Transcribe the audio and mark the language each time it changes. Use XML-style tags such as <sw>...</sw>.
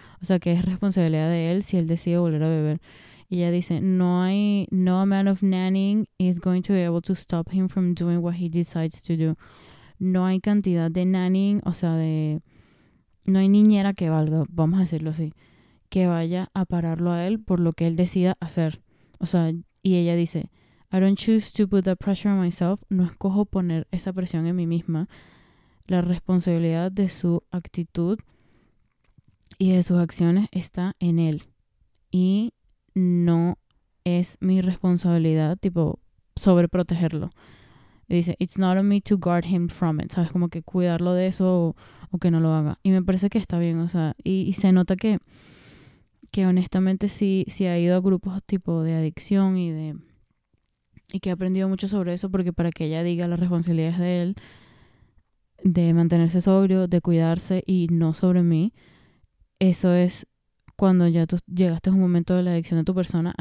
<es>O sea, que es responsabilidad de él si él decide volver a beber.</es> <en>Y ella dice, "No amount of nannying is going to be able to stop him from doing what he decides to do."</en> <es>No hay cantidad de nannying, o sea, no hay niñera que valga, vamos a decirlo así, que vaya a pararlo a él por lo que él decida hacer. O sea, y ella dice,</es> <en>"I don't choose to put that pressure on myself."</en> <es>No escojo poner esa presión en mí misma. La responsabilidad de su actitud y de sus acciones está en él. Y no es mi responsabilidad, tipo, sobreprotegerlo. Dice,</es> <en>it's not on me to guard him from it.</en> <es>¿Sabes? Como que cuidarlo de eso o que no lo haga. Y me parece que está bien, o sea, y se nota que honestamente sí ha ido a grupos tipo de adicción y de... Y que ha aprendido mucho sobre eso, porque para que ella diga las responsabilidades de él, de mantenerse sobrio, de cuidarse y no sobre mí, eso es cuando ya tú llegaste a un momento de la adicción de tu persona.</es>